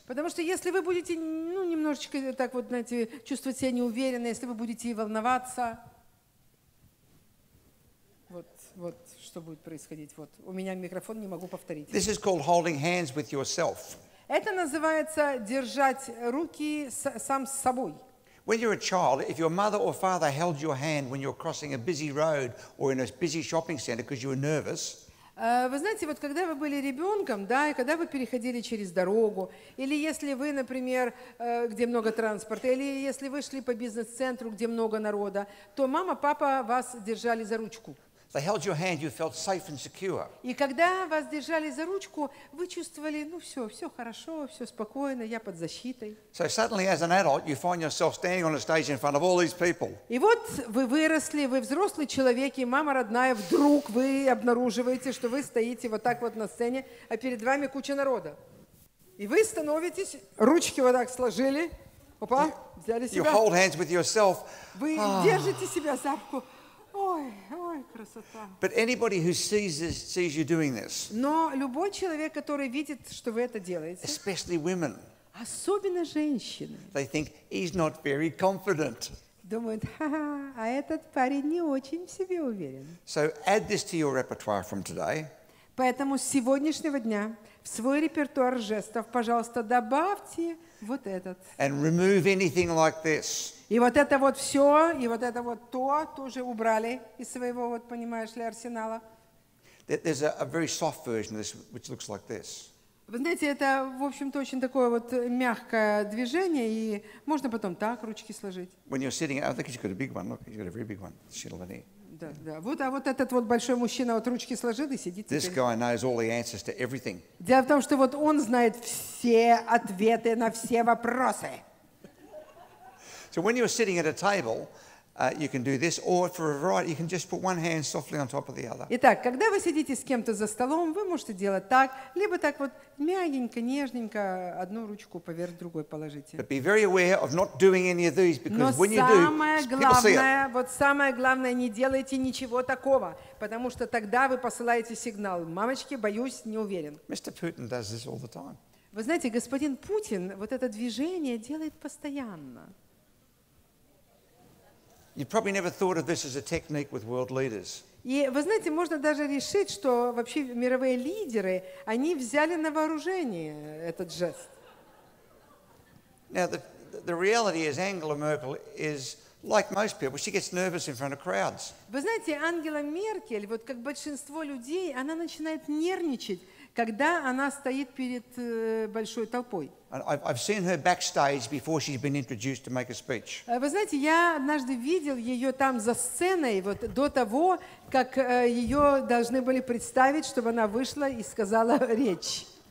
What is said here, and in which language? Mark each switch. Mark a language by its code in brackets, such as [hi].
[ru] потому что если вы будете, ну, немножечко так вот, знаете, чувствовать себя неуверенно, если вы будете волноваться, вот, вот. Что будет происходить? Вот у меня микрофон, не могу повторить. [en] This is called holding hands with yourself. [ru] Это называется держать руки сам с собой. [en] When you're a child, if your mother or father held your hand when you're crossing a busy road or in a busy shopping center because you were nervous. [ru] Вы знаете, вот когда вы были ребенком, да, и когда вы переходили через дорогу, или если вы, например, где много транспорта, или если вы шли по бизнес-центру, где много народа, то мама, папа вас держали за ручку. [en] They held your hand, you felt safe and secure. [ru] И когда вас держали за ручку, вы чувствовали, ну все, все хорошо, все спокойно, я под защитой. [en] So suddenly, as an adult, you find yourself standing on a stage in front of all these people. [ru] И вот вы выросли, вы взрослый человек, и мама родная, вдруг вы обнаруживаете, что вы стоите вот так вот на сцене, а перед вами куча народа. И вы становитесь, ручки вот так сложили, опа, взяли себя. [en] You hold hands with yourself. [ru] Вы держите себя за руку. Ой, красота. [en] But anybody who sees you doing this. [ru] Но любой человек, который видит, что вы это делаете. [en] Especially women. [ru] Особенно женщины. [en] They think he's not very confident. [ru] Думают: ха-ха, а этот парень не очень в себе уверен. [en] So add this to your repertoire from today. [ru] Поэтому с сегодняшнего дня в свой репертуар жестов, пожалуйста, добавьте вот этот. [en] And remove anything like this. [ru] И вот это вот все, и вот это вот то тоже убрали из своего, вот понимаешь ли, арсенала. [en] There's a very soft version of this, which looks like this. [ru] Вы знаете, это, в общем-то, очень такое вот мягкое движение, и можно потом так ручки сложить. [en] When you're sitting, I think he's got a big one. Look, he's got a very big one. Shilvani. [ru] Да, да. Вот, а вот этот вот большой мужчина вот ручки сложил и сидит. [en] This guy knows all the answers to everything. [ru] Дело в том, что вот он знает все ответы на все вопросы. [en] So when you're sitting at a table, you can do this, or for a variety, you can just put one hand softly on top of the other. [ru] Итак, когда вы сидите с кем-то за столом, вы можете делать так, либо так вот мягенько, нежненько одну ручку поверх другой положите. [en] But be very aware of not doing any of these, because when you do, people see it. [ru] Вот самое главное, не делайте ничего такого, потому что тогда вы посылаете сигнал: мамочки, боюсь, не уверен. [en] Mr. Putin does this all the time. [ru] Вы знаете, господин Путин вот это движение делает постоянно. [en] You probably never thought of this as a technique with world leaders. [ru] И вы знаете, можно даже решить, что вообще мировые лидеры, они взяли на вооружение этот жест. [en] Now the reality is Angela Merkel is like most people, she gets nervous in front of crowds. [ru] Вы знаете, Ангела Меркель, вот как большинство людей, она начинает нервничать, когда она стоит перед большой толпой. [en] I've seen her backstage before she's been introduced to make a speech. [ru] Вы знаете, я однажды видел ее там за сценой, вот до того, как ее должны были представить, чтобы она вышла и сказала речь.